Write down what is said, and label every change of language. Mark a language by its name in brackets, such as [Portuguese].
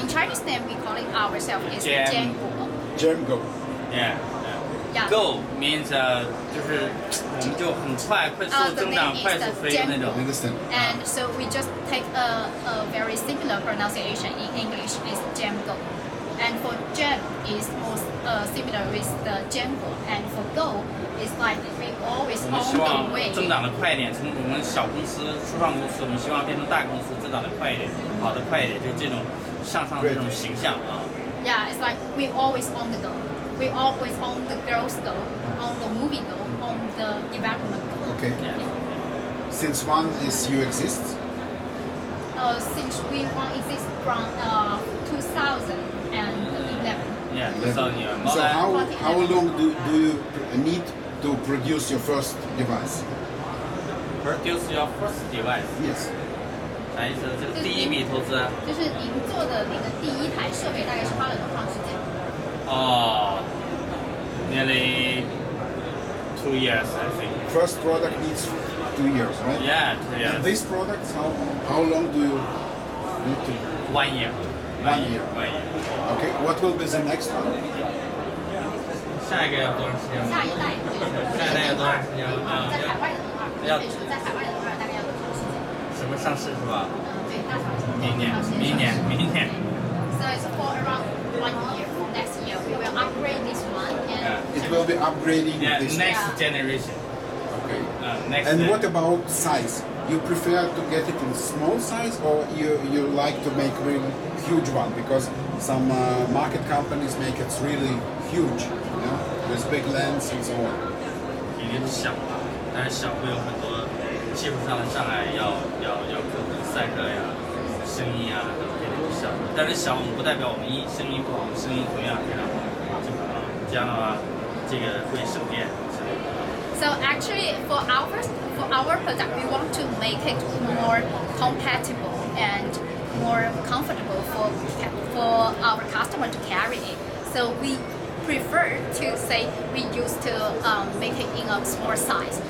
[English] in Chinese name we call it ourselves is jam go jam go yeah go means [Chinese] 就是我们就很快快速增长快速飞那种 [English] Understand. and so we just take a very similar pronunciation in English is jam goAnd for jam is more similar with the jungle. And for go is like we always on the way. [Chinese] 我们希望增长的快一点，从我们小公司、初创公司，我们希望变成大公司，增长的快一点，跑得快一点，就这种向上的这种形象啊。 [English] Yeah, it's like we always on the go. We always on the growth go, on the moving go, on the development go. Okay. Yeah. Since one is you exist. Since we one exist from 2000. Yeah, so how long do you need to produce your first device? Produce your first device? Yes. [Chinese] 啥意思？这个第一笔投资？就是您做的那个第一台设备，大概是花了多长时间？ [English] 哦 ，nearly 2 years, I think. First product needs 2 years, right? Yeah, 2 years. And this product, how long do you need to? 1 year. Okay, what will be the next one? [Chinese] 下一个要多长时间？下一代。下一代要多长时间？在海外的话，在海外的话，大概要多长时间？什么上市是吧？嗯，对，大厂。明年。 [English] So it's for around 1 year. Next year we will upgrade this one. And it will be upgrading this next generation. Okay. Next. And what about size? You prefer to get it in small size, or you like to make really? Huge one because some market companies make it really huge, you know, with big lens and so on. [Chinese] 肯定是小嘛，但是小会有很多技术上的障碍，要克服赛克呀、声音啊，肯定是小。但是小不代表我们声音不好，声音同样非常好，这样的话，这个会省电。 [English] So actually, for our product, we want to make it more compatible and. More comfortable for our customer to carry it. So we prefer to say we used to make it in a small size.